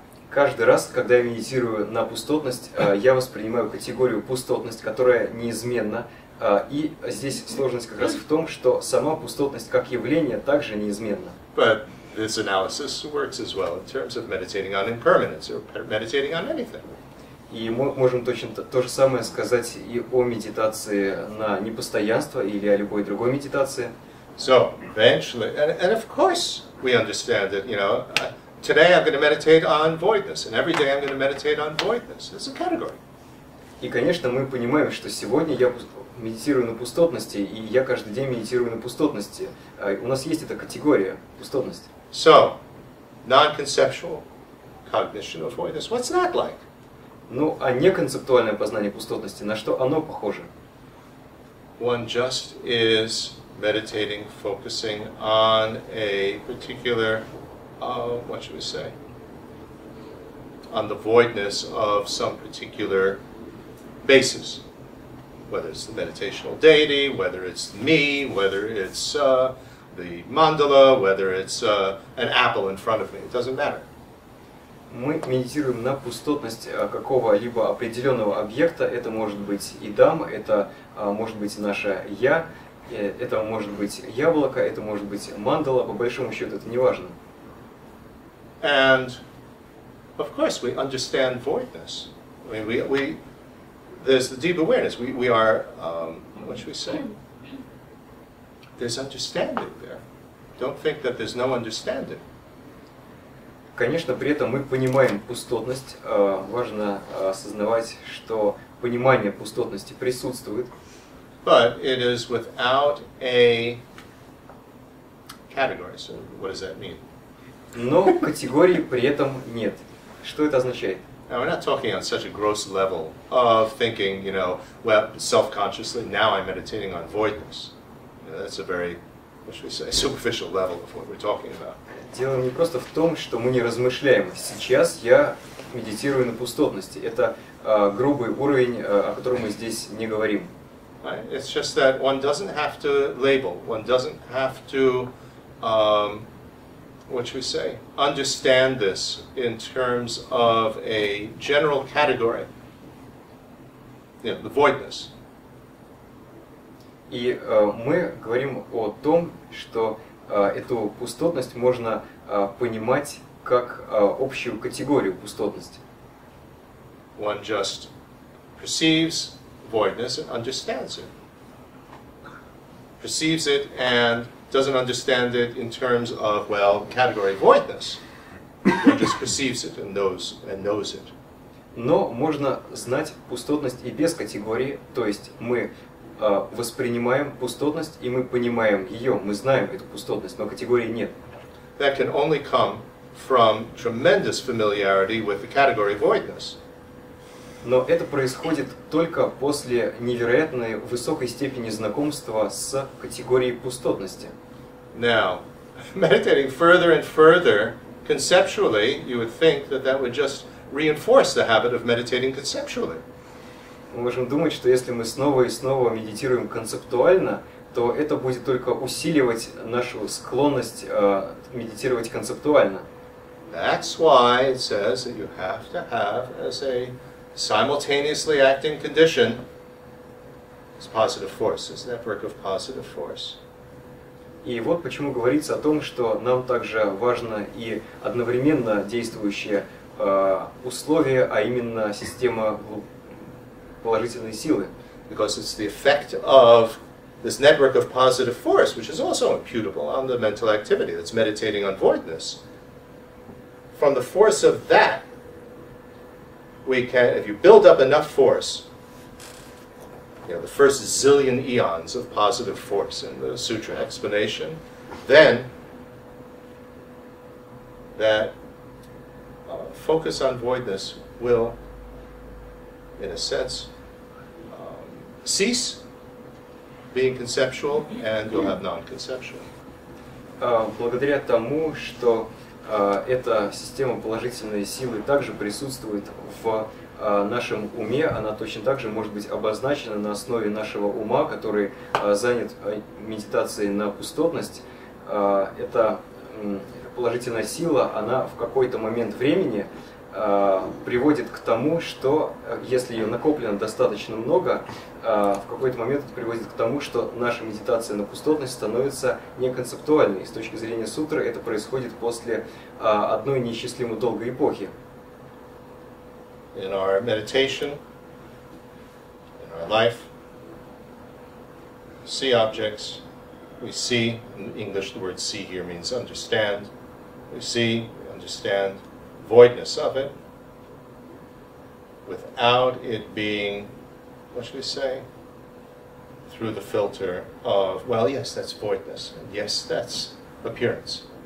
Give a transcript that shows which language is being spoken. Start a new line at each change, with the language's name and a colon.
Russian: Каждый раз, когда я медитирую на пустотность, я воспринимаю категорию пустотность, которая неизменна. И здесь сложность как раз в том, что сама пустотность как явление также неизменна.
English: But this analysis works as well in terms of meditating on impermanence or meditating on anything.
Russian: И мы можем точно то же самое сказать и о медитации на непостоянство или о любой другой медитации.
English: So eventually, and of course, we understand that, you know, today I'm going to meditate on voidness, and every day I'm going to meditate on voidness. It's a category.
Russian: И, конечно, мы понимаем, что сегодня я медитирую на пустотности, и я каждый день медитирую на пустотности. У нас есть эта категория пустотности.
English: So, non-conceptual cognition of voidness. What's that like?
Russian: Ну, а неконцептуальное познание пустотности, на что оно похоже?
English: One just is meditating, focusing on a particular, what should we say, on the voidness of some particular basis, whether it's the meditational deity, whether it's me, whether it's the mandala, whether it's an apple in front of me, it doesn't matter.
Russian: Мы медитируем на пустотность какого-либо определенного объекта, это может быть и дам, это может быть наше я, Это может быть яблоко, это может быть мандала, по большому счету это не важно.
English: And of course we understand voidness. I mean, we there's the deep awareness. We are what should we say? There's understanding there. Don't think that there's no understanding.
Russian: Конечно, при этом мы понимаем пустотность. Важно осознавать, что понимание пустотности присутствует.
English: But it is without a category. So what does that mean?
Russian: Но категории при этом нет. Что это означает?
English: Now we're not talking on such a gross level of thinking, you know, well, self-consciously, now I'm meditating on voidness. You know, that's a very, what should we say, superficial level of what we're talking about.
Russian: Дело не просто в том, что мы не размышляем. Сейчас я медитирую на пустотности. Это грубый уровень, о котором мы здесь не говорим.
English: Right? It's just that one doesn't have to label, one doesn't have to, what should we say, understand this in terms of a general category, you know, the voidness.
Russian: И мы говорим о том, что эту пустотность можно понимать как общую категорию пустотности.
English: One just perceives voidness and understands it. Perceives it and doesn't understand it in terms of, well, category voidness. One just perceives it and knows it.
Russian: Но можно знать пустотность и без категории, то есть мы воспринимаем пустотность, и мы понимаем ее, мы знаем эту пустотность, но категории нет.
English: That can only come from tremendous familiarity with the category voidness.
Russian: Но это происходит только после невероятной высокой степени знакомства с категорией пустотности.
English: Now, meditating further and further, conceptually, you would think that that would just reinforce the habit of meditating conceptually.
Russian: Мы можем думать, что если мы снова и снова медитируем концептуально, то это будет только усиливать нашу склонность медитировать концептуально.
English: That's why it says that you have to have as a simultaneously acting condition is positive force, is network of positive force.
Russian: И вот почему говорится о том, что нам также важно и одновременно действующие условия, а именно система положительной силы.
English: Because it's the effect of this network of positive force, which is also imputable on the mental activity that's meditating on voidness. From the force of that, we can, if you build up enough force, you know, the first zillion eons of positive force in the sutra explanation, then that focus on voidness will, in a sense, cease being conceptual, and you'll have non-conceptual.
Russian: Благодаря тому, что эта система положительной силы также присутствует в нашем уме, она точно так же может быть обозначена на основе нашего ума, который занят медитацией на пустотность. Эта положительная сила, она в какой-то момент времени приводит к тому, что если ее накоплено достаточно много, в какой-то момент это приводит к тому, что наша медитация на пустотность становится неконцептуальной. С точки зрения сутры это происходит после одной неисчислимо долгой эпохи.
English: In our meditation, in our life, we see objects, we see, in English the word see here means understand, we see, we understand voidness of it, without it being, what should we say, through the filter of, well, yes, that's voidness, and yes, that's appearance.